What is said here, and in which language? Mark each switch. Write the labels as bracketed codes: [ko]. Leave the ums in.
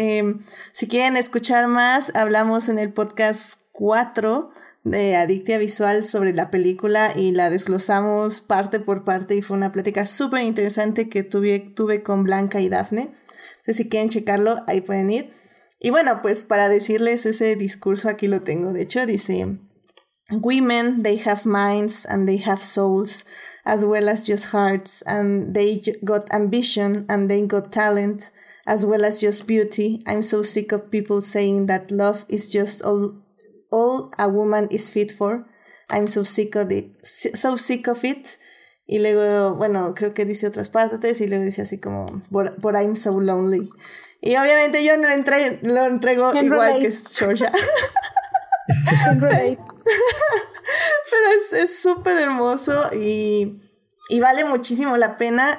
[es] Eh, si quieren escuchar más, hablamos en el podcast 4 de Adictia Visual sobre la película y la desglosamos parte por parte y fue una plática súper interesante que tuve, tuve con Blanca y Dafne. Entonces, si quieren checarlo, ahí pueden ir. Y bueno, pues para decirles ese discurso aquí lo tengo. De hecho, dice, [en] Women, they have minds and they have souls, as well as just hearts, and they got ambition and they got talent, as well as just beauty. I'm so sick of people saying that love is just all, all a woman is fit for. I'm so sick of it. So sick of it. [es] Y luego, bueno, creo que dice otras partes y luego dice así como, [en] but, but I'm so lonely. [es] Y obviamente yo no lo, entre lo entrego Can igual relate. que Georgia. Pero es súper hermoso y, y, vale muchísimo la pena.